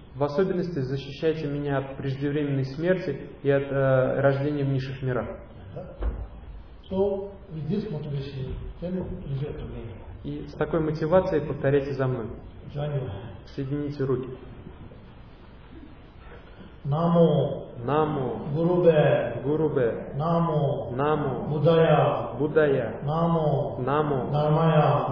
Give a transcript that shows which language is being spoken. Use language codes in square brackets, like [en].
[ru] В особенности защищайте меня от преждевременной смерти и от рождения в низших мирах. [en] So with this motivation, then repeat to me. [ru] И с такой мотивацией повторяйте за мной. [en] Join your hands. [ru] Соедините руки. [sa] Namo. Namo. Gurube. Gurube. Namo. Namo. Buddhaya. Buddhaya. Namo. Namo. Dharmaya.